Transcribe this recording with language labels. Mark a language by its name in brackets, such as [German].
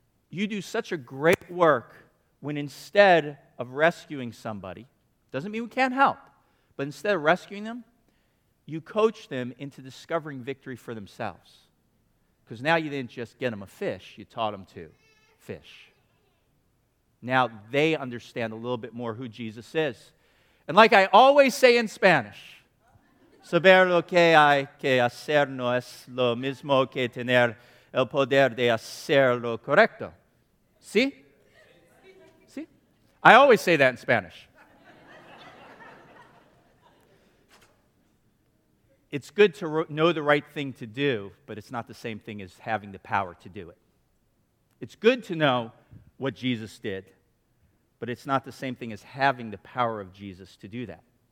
[English] You do such a great work when instead of rescuing somebody, doesn't mean we can't help, but instead of rescuing them, you coach them into discovering victory for themselves. Because now you didn't just get them a fish, you taught them to fish. Now they understand a little bit more who Jesus is. And like I always say in Spanish, [Spanish] saber lo que hay que hacer no es lo mismo que tener el poder de hacer lo correcto. ¿Sí? ¿Sí? [English] I always say that in Spanish. It's good to know the right thing to do, but it's not the same thing as having the power to do it. It's good to know what Jesus did, but it's not the same thing as having the power of Jesus to do that.